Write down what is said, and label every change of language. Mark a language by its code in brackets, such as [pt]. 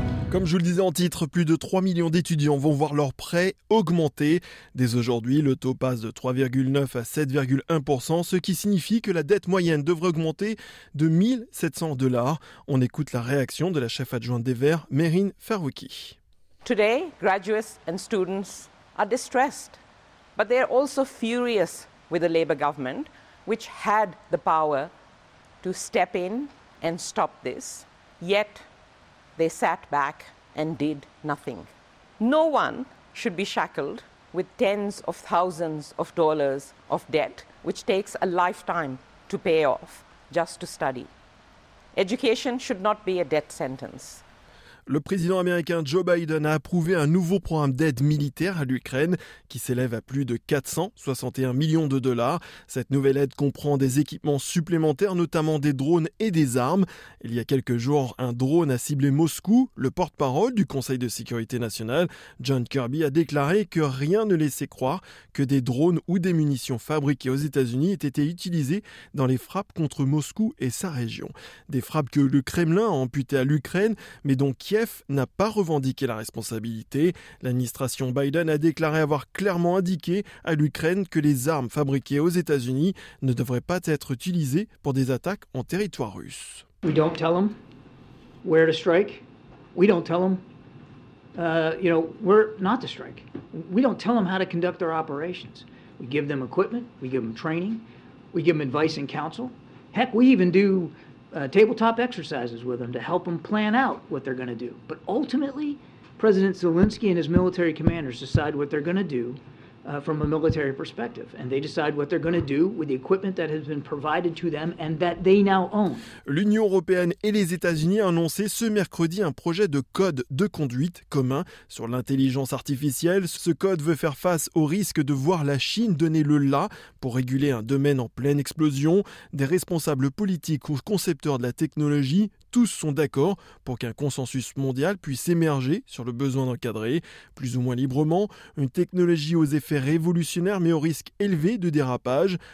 [fr] Comme je vous le disais en titre, plus de 3 millions d'étudiants vont voir leurs prêts augmenter. Dès aujourd'hui, le taux passe de 3,9 à 7,1%, ce qui signifie que la dette moyenne devrait augmenter de 1 700 $. On écoute la réaction de la chef adjointe des Verts, Meryn Farouki. [en] Today, graduates and students are distressed, but they are also furious with the Labour government, which had the power to step in and stop this. Yet they sat back and did nothing. No one should be shackled with tens of thousands of dollars of debt, which takes a lifetime to pay off just to study. Education should not be a debt sentence. [fr] Le président américain Joe Biden a approuvé un nouveau programme d'aide militaire à l'Ukraine qui s'élève à plus de 461 millions de dollars. Cette nouvelle aide comprend des équipements supplémentaires, notamment des drones et des armes. Il y a quelques jours, un drone a ciblé Moscou. Le porte-parole du Conseil de sécurité nationale, John Kirby, a déclaré que rien ne laissait croire que des drones ou des munitions fabriquées aux États-Unis aient été utilisées dans les frappes contre Moscou et sa région. Des frappes que le Kremlin a amputées à l'Ukraine, mais dont Kiev n'a pas revendiqué la responsabilité. L'administration Biden a déclaré avoir clairement indiqué à l'Ukraine que les armes fabriquées aux États-Unis ne devraient pas être utilisées pour des attaques en territoire russe. [en] We don't tell them where to strike. We don't tell them, where not to strike. We don't tell them how to conduct their operations. We give them equipment. We give them training. We give them advice and counsel. Heck, we even do tabletop exercises with them to help them plan out what they're going to do. But ultimately, President Zelensky and his military commanders decide what they're going to do from a military perspective. And they decide what they're going to do with the equipment that has been provided to them and that they now own. [fr] L'Union européenne et les États-Unis ont annoncé ce mercredi un projet de code de conduite commun sur l'intelligence artificielle. Ce code veut faire face au risque de voir la Chine donner le la pour réguler un domaine en pleine explosion. Des responsables politiques ou concepteurs de la technologie, tous sont d'accord pour qu'un consensus mondial puisse émerger sur le besoin d'encadrer, plus ou moins librement, une technologie aux effets révolutionnaires mais au risque élevé de dérapage.